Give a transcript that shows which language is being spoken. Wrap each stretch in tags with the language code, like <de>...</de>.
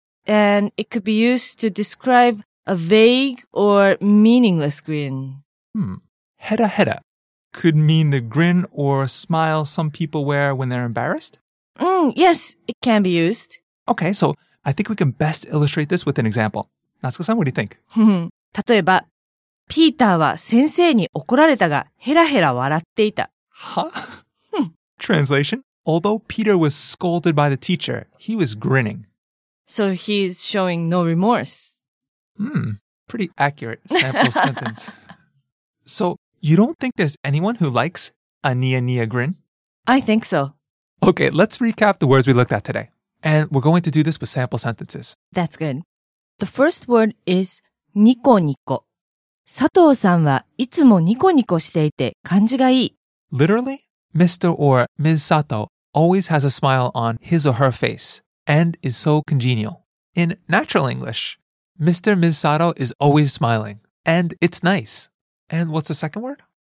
<en>And it could be used to describe a vague or meaningless grin. Hera hera could mean the grin or smile some people wear when they're embarrassed? Yes, it can be used. Okay, so I think we can best illustrate this with an example. Natsuko-san, what do you think?</en> <ja>例えば、ピーターは先生に怒られたが、ヘラヘラ笑っていた。</ja> <en>Huh? Translation, although Peter was scolded by the teacher, he was grinning. So he's showing no remorse. Pretty accurate sample sentence. So you don't think there's anyone who likes a nia nia grin? I think so. Okay, let's recap the words we looked at today. And we're going to do this with sample sentences. That's good. The first word is ニコニコ。</en> <ja>佐藤さんはいつもニコニコしていて感じがいい。</ja> <en>Literally, Mr. or Ms. Sato always has a smile on his or her face and is so congenial. In natural English, Mr. Ms. Sato is always smiling and it's nice. And what's the second word?</en>